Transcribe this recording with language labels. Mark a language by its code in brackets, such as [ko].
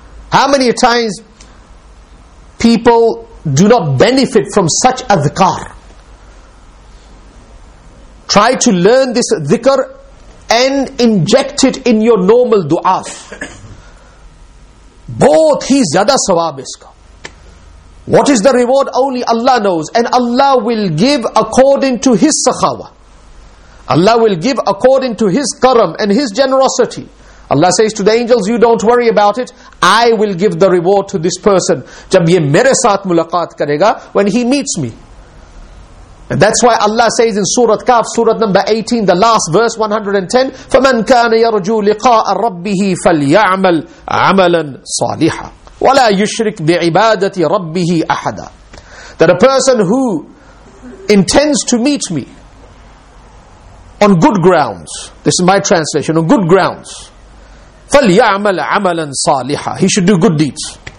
[en] How many times people do not benefit from such a dhikr? Try to learn this dhikr and inject it in your normal du'as. [ur] بہت ہی زیادہ ثواب ہے اس کا. [en] What is the reward? Only Allah knows. And Allah will give according to His sakhawa. Allah will give according to His karam and His generosity. Allah says to the angels, you don't worry about it. I will give the reward to this person. [ur] جب یہ میرے ساتھ ملاقات کرے گا, [en] when he meets me. And that's why Allah says in Surah Kaf, Surah number 18, the last verse, 110, [ar] فَمَنْ كَانَ يَرْجُو لِقَاءَ رَبِّهِ فَلْيَعْمَلْ عَمَلًا صَالِحًا وَلَا يُشْرِكْ بِعِبَادَةِ رَبِّهِ أَحَدًا. [en] That a person who intends to meet me on good grounds, this is my translation, on good grounds, [ar] فَلْيَعْمَلْ عَمَلًا صَالِحًا, [en] he should do good deeds.